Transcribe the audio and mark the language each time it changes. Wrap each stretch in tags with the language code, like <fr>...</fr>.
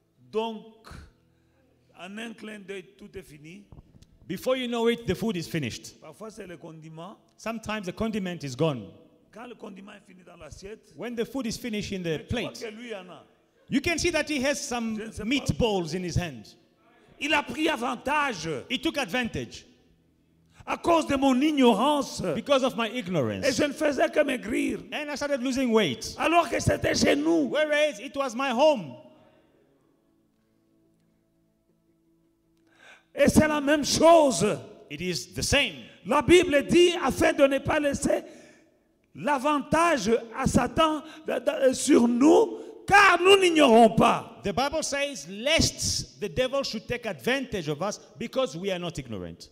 <fr>Donc, en un clin d'œil, tout est fini.</fr> <en>Before you know it, the food is finished.</en> <fr>Parfois, c'est le condiment.</fr> <en>Sometimes the condiment is gone.</en> <fr>Quand le condiment est fini dans l'assiette,</fr> <en>when the food is finished in the plate,</en> <fr>que lui en a.</fr> <en>You can see that he has some meatballs in his hand.</en> <fr>Il a pris avantage.</fr> <en>He took advantage.</en> <fr>À cause de mon ignorance.</fr> <en>Because of my ignorance.</en> <fr>Et je ne faisais que maigrir.</fr> <en>And I started losing weight.</en> <fr>Alors que c'était chez nous.</fr> <en>Whereas it was my home.</en> <fr>Et c'est la même chose.</fr> <en>It is the same.</en> <fr>La Bible dit, afin de ne pas laisser l'avantage à Satan sur nous, car nous n'ignorons pas.</fr> <en>The Bible says, lest the devil should take advantage of us because we are not ignorant.</en>